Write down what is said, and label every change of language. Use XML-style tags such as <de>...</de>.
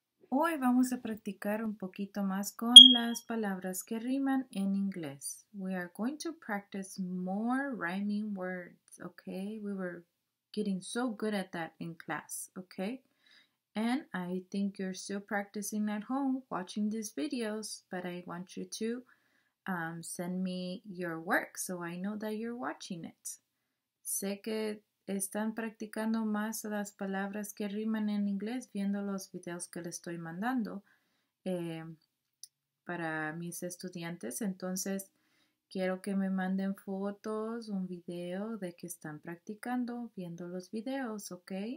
<es>Hoy vamos a practicar un poquito más con las palabras que riman en inglés.</es> <en>We are going to practice more rhyming words, okay? We were getting so good at that in class, okay? And I think you're still practicing at home watching these videos, but I want you to send me your work so I know that you're watching it.</en> <es>Sé que están practicando más las palabras que riman en inglés viendo los videos que les estoy mandando para mis estudiantes. Entonces, quiero que me manden fotos, un video de que están practicando viendo los videos, ¿ok?</es>